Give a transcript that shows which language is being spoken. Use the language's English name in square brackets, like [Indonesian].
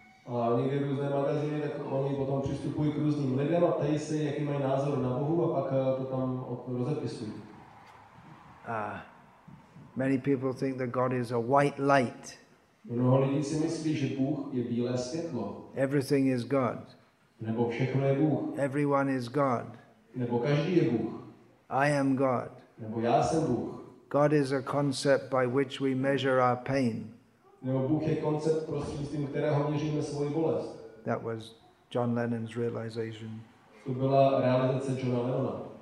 [Czech] A někdy různé magazíny, tak oni potom přistupují k různým lidem a ptají se, jaký mají názor na Bohu, a pak to tam rozepisují. [English] Many people think that God is a white light. [Czech] Mnoho lidí si myslí, že Bůh je bílé světlo. [English] Everything is God. [Czech] Nebo všechno je Bůh. [English] Everyone is God. [Czech] Nebo každý je Bůh. [English] I am God. [Czech] Nebo já jsem Bůh. [English] God is a concept by which we measure our pain. [Czech] Nebo Bůh je koncept, prostřednictvím kterého měříme svoji bolest. [English] That was John Lennon's realization. [Czech] To byla realizace Johna Lennona.